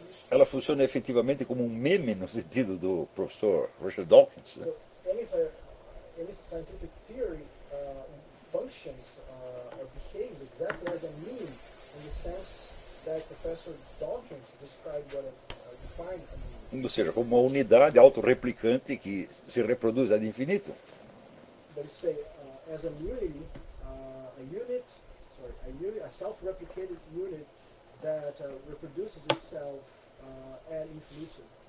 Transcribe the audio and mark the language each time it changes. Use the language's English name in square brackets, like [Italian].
[Portuguese] ela funciona efetivamente como um meme no sentido do professor Richard Dawkins. [English] So, any scientific theory functions or behaves exactly as a meme in the sense that Professor Dawkins described what defined a meme. [Portuguese] Ou seja, como uma unidade autorreplicante que se reproduz ad infinitum. [English] But you say, as a unity, a self-replicated unit that reproduces itself ad infinitum.